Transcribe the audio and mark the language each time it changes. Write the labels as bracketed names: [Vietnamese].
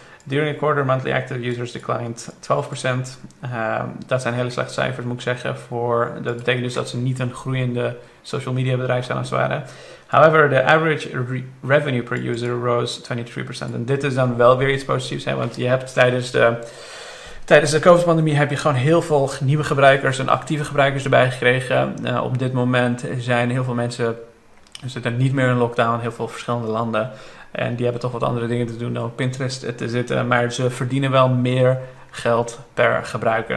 [English] During a quarter, monthly active users declined 12%. [Dutch] Dat zijn hele slechte cijfers, moet ik zeggen. Dat betekent dus dat ze niet een groeiende social media bedrijf zijn als het ware. [English] However, the average revenue per user rose 23%. [Dutch] En dit is dan wel weer iets positiefs, hè, want je hebt tijdens de COVID-pandemie heb je gewoon heel veel nieuwe gebruikers en actieve gebruikers erbij gekregen. Op dit moment zijn heel veel mensen zitten niet meer in lockdown in heel veel verschillende landen. En die hebben toch wat andere dingen te doen dan op Pinterest te zitten. Maar ze verdienen wel meer geld per gebruiker.